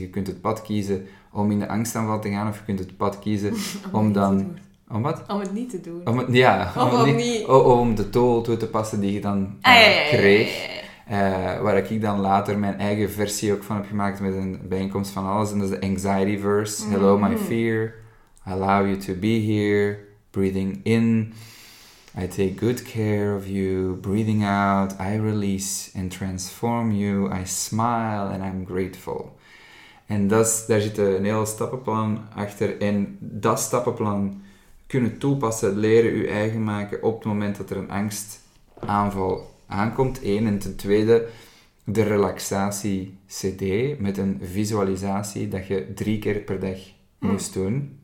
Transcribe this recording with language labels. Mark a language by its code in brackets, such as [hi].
[nl] Je kunt het pad kiezen om in de angstaanval te gaan of je kunt het pad kiezen om dan... Om wat? Om het niet te doen. Om het, ja, om het niet, om de tool toe te passen die je dan kreeg. Waar ik dan later mijn eigen versie ook van heb gemaakt met een bijeenkomst van alles. En dat is de anxiety verse. [en] Hello my fear, allow you to be here, breathing in, I take good care of you, breathing out, I release and transform you, I smile and I'm grateful. [nl] En daar zit een heel stappenplan achter. En dat stappenplan kunnen toepassen, leren je eigen maken op het moment dat er een angst aanval aankomt, één. En ten tweede, de relaxatie-cd met een visualisatie dat je 3 keer per dag moest doen.